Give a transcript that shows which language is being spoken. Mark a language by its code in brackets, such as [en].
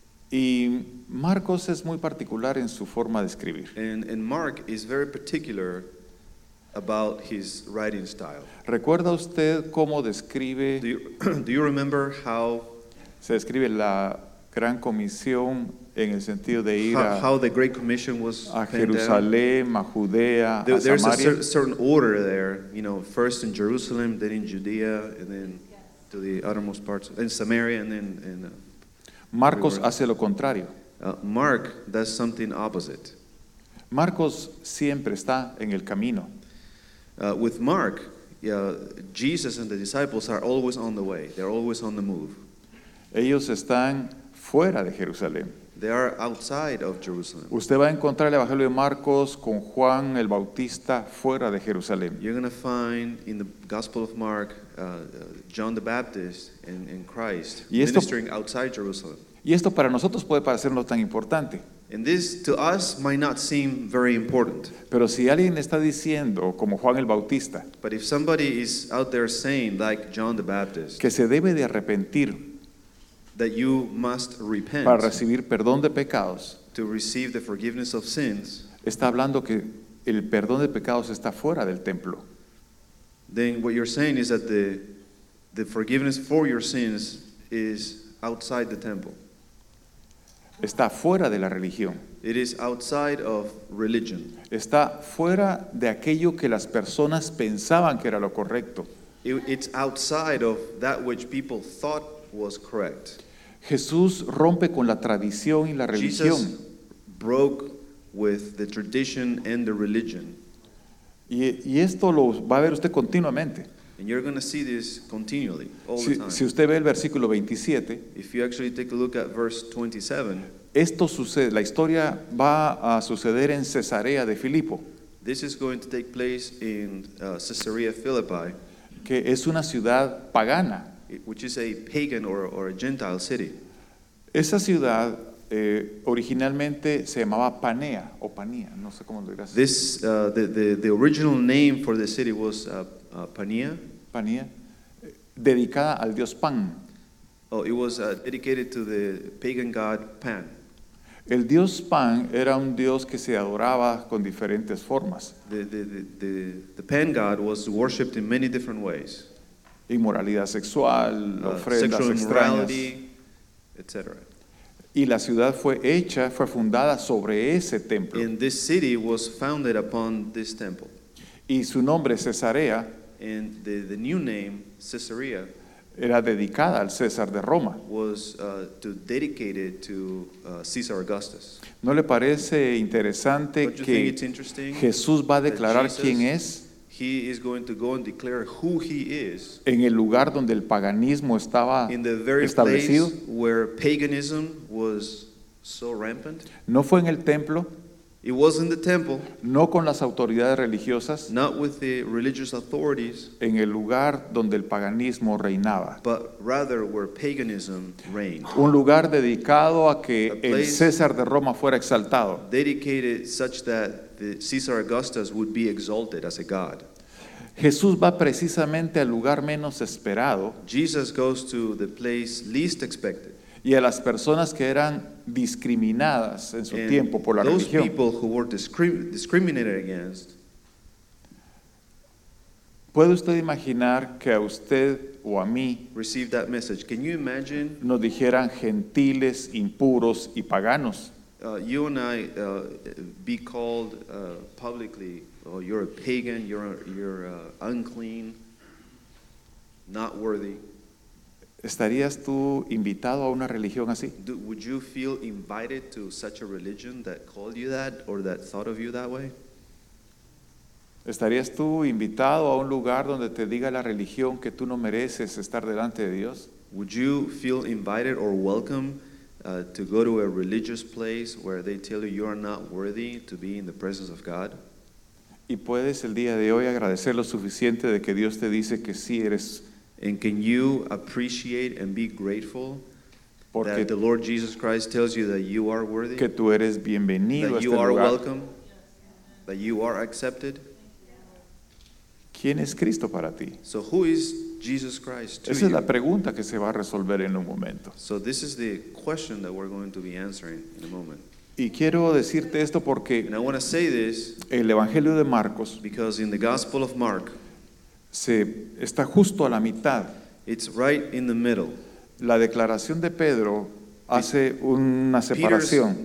[es] Y Marcos es muy particular en su forma de escribir. [en] And Mark is very particular about his writing style. [es] ¿Recuerda usted cómo describe? [en] Do you remember how [es] se describe la gran comisión en el sentido de ir [en] how the Great Commission was [es] a Jerusalem, a Judea, [en] there's Samaria. There's a certain order there, you know, first in Jerusalem, then in Judea, and then to the uttermost parts, in Samaria, and then in... [es] Marcos hace lo contrario. [en] Mark does something opposite. [es] Marcos siempre está en el camino. [en] With Mark, Jesus and the disciples are always on the way. They're always on the move. [es] Ellos están fuera de Jerusalén. [en] They are outside of Jerusalem. [es] Usted va a encontrar el Evangelio de Marcos con Juan el Bautista fuera de Jerusalén. [en] You're going to find in the Gospel of Mark, John the Baptist and Christ ministering outside Jerusalem. [es] Y esto para nosotros puede parecernos tan importante. [en] And this to us might not seem very important. [es] Pero si alguien está diciendo, como Juan el Bautista, [en] but if somebody is out there saying, like John the Baptist, [es] que se debe de arrepentir, [en] that you must repent [es] para recibir perdón de pecados, [en] to receive the forgiveness of sins, [es] está hablando que el perdón de pecados está fuera del templo. [en] Then what you're saying is that the forgiveness for your sins is outside the temple. [es] Está fuera de la religión. [en] It is outside of religion. [es] Está fuera de aquello que las personas pensaban que era lo correcto. [en] It's outside of that which people thought was correct. [es] Jesús rompe con la tradición y la religión. [en] Jesus broke with the tradition and the religion. [es] Y esto lo va a ver usted continuamente. [en] And you're going to see this continually, all the time. [es] Si usted ve el versículo 27, [en] if you actually take a look at verse 27, [es] esto sucede, la historia va a suceder en Cesarea de Filipo. [en] This is going to take place in Caesarea Philippi, [es] que es una ciudad pagana, [en] which is a pagan or a Gentile city. [es] Esa ciudad originalmente se llamaba Panea o Panía, no sé cómo lo dirás. [en] This the original name for the city was Panía. [es] Panía, dedicada al dios Pan. [en] Oh, it was dedicated to the pagan god Pan. [es] El dios Pan era un dios que se adoraba con diferentes formas. [en] The Pan god was worshipped in many different ways. [es] Inmoralidad sexual, ofrendas [en] sexual [es] extrañas, etc. Y la ciudad fue hecha, fue fundada sobre ese templo. [en] And this city was founded upon this temple. [es] Y su nombre, Cesarea, [en] and the new name, Caesarea, [es] era dedicada al César de Roma. [en] Was dedicated to Caesar Augustus. [es] ¿No le parece interesante que Jesús va a declarar quién es? [en] He is going to go and declare who he is. [es] En el lugar donde el paganismo estaba establecido. [en] In the very place where paganism was so rampant. [es] No fue en el templo. [en] It was in the temple. [es] No con las autoridades religiosas. [en] Not with the religious authorities. [es] En el lugar donde el paganismo reinaba. [en] But rather where paganism reigned. [es] Un lugar dedicado a que el César de Roma fuera exaltado. [en] Dedicated such that Caesar Augustus would be exalted as a god. [es] Jesús va precisamente al lugar menos esperado. [en] Jesus goes to the place least expected. [es] Y a las personas que eran discriminadas en su tiempo por la religión. [en] Those people who were discriminated against. [es] ¿Puede usted imaginar que a usted o a mí [en] received that message? Can you imagine? [es] Nos dijeran gentiles, impuros y paganos. [en] You and I be called publicly, oh, you're a pagan, you're unclean, not worthy. [es] ¿Estarías tú invitado a una religión así? [en] Would you feel invited to such a religion that called you that or that thought of you that way? [es] ¿Estarías tú invitado a un lugar donde te diga la religión que tú no mereces estar delante de Dios? [en] Would you feel invited or welcome to go to a religious place where they tell you you are not worthy to be in the presence of God? [es] ¿Y puedes el día de hoy agradecer lo suficiente de que Dios te dice que sí eres? [en] And can you appreciate and be grateful [es] porque [en] that the Lord Jesus Christ tells you that you are worthy? [es] Que tú eres bienvenido a este lugar. [en] That you are welcome. That you are accepted. [es] ¿Quién es Cristo para ti? [en] So who is Jesus Christ to you? [es] Esa es la pregunta que se va a resolver en un momento. [en] So this is the question that we're going to be answering in a moment. [es] Y quiero decirte esto porque [en] and I want to say this [es] el Evangelio de Marcos, [en] because in the Gospel of Mark, [es] se está justo a la mitad. [en] It's right in the middle. [es] La declaración de Pedro hace una separación.